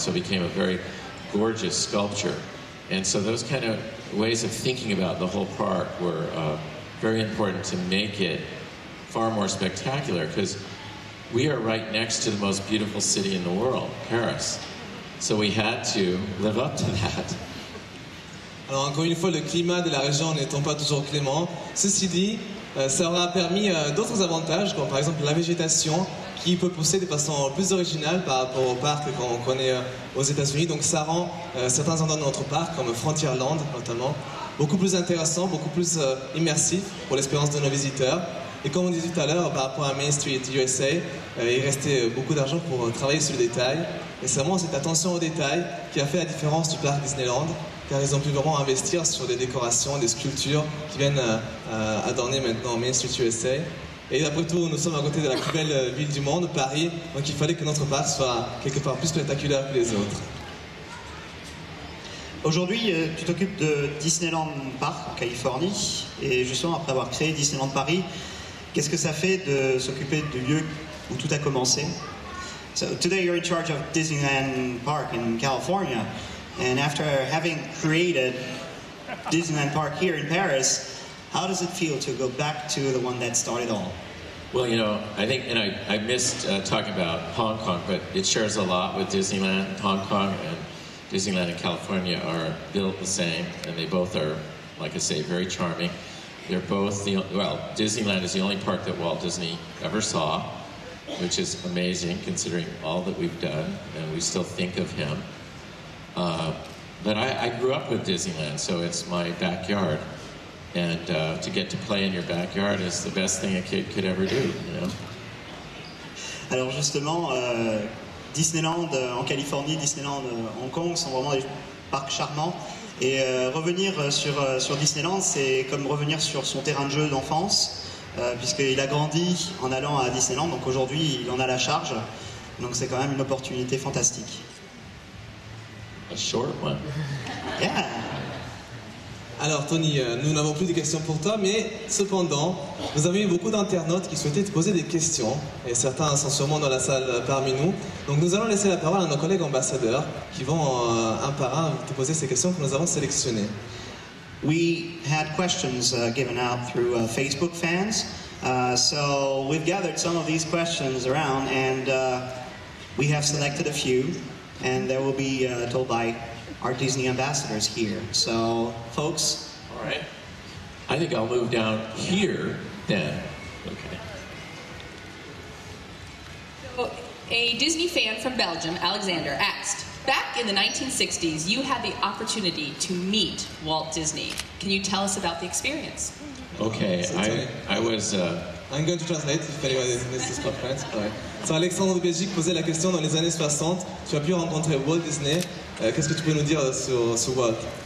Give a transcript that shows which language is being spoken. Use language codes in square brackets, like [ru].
[en] So it became a very gorgeous sculpture. And so those kind of ways of thinking about the whole park were very important to make it far more spectacular, because we are right next to the most beautiful city in the world, Paris. So we had to live up to that. [fr] Alors encore une fois, le climat de la région n'étant pas toujours clément, ceci dit, ça aura permis d'autres avantages, comme par exemple la végétation, qui peut pousser de façon plus originale par rapport au parc qu'on connaît aux États-Unis. Donc ça rend certains endroits de notre parc, comme Frontierland notamment, beaucoup plus intéressant, beaucoup plus immersif pour l'expérience de nos visiteurs. Et comme on disait tout à l'heure, par rapport à Main Street USA, il restait beaucoup d'argent pour travailler sur le détail. Et c'est vraiment cette attention au détail qui a fait la différence du parc Disneyland, car ils ont pu vraiment investir sur des décorations, des sculptures qui viennent adorner maintenant Main Street USA. Et après tout, nous sommes à côté de la plus belle ville du monde, Paris, donc il fallait que notre parc soit quelque part plus spectaculaire que les autres. Aujourd'hui, tu t'occupes de Disneyland Park en Californie, et justement, après avoir créé Disneyland Paris, qu'est-ce que ça fait de s'occuper du lieu où tout a commencé? [en] So, today you're in charge of Disneyland Park in California, and after having created Disneyland Park here in Paris, how does it feel to go back to the one that started all? Well, you know, I think, and I missed talking about Hong Kong, but it shares a lot with Disneyland. Hong Kong and Disneyland in California are built the same, and they both are, like I say, very charming. They're both, Disneyland is the only park that Walt Disney ever saw, which is amazing considering all that we've done, and we still think of him. But I grew up with Disneyland, so it's my backyard. And to get to play in your backyard is the best thing a kid could ever do, you know? [fr] Alors justement, Disneyland en Californie, Disneyland Hong Kong sont vraiment des parcs charmants. Et revenir sur Disneyland, c'est comme revenir sur son terrain de jeu d'enfance, puisqu'il a grandi en allant à Disneyland, donc aujourd'hui il en a la charge. Donc c'est quand même une opportunité fantastique. [en] A short one. Yeah. [fr] Alors Tony, nous n'avons plus de questions pour toi, mais cependant, vous avez eu beaucoup d'internautes qui souhaitaient te poser des questions, et certains sont sûrement dans la salle parmi nous. Donc nous allons laisser la parole à nos collègues ambassadeurs qui vont un par un te poser ces questions que nous avons sélectionnées. [en] We had questions given out through Facebook fans, so we've gathered some of these questions around, and we have selected a few, and they will be told by our Disney ambassadors here. So, folks. All right. I think I'll move down here then. Okay. So, a Disney fan from Belgium, Alexander, asked, back in the 1960s, you had the opportunity to meet Walt Disney. Can you tell us about the experience? Okay, I was... I'm going to translate if anyone needs this conference. Right. [fr] So, Alexandre de Belgique posait la question dans les années 60. Tu as pu rencontrer Walt Disney. Qu'est-ce que tu peux nous dire sur Walt?